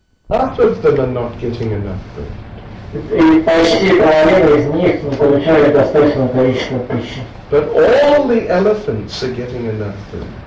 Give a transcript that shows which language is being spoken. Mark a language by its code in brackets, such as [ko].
[en] Half of them are not getting enough food. [ru] И почти половина из них не получали достаточного количества пищи. [en] But all the elephants are getting enough food.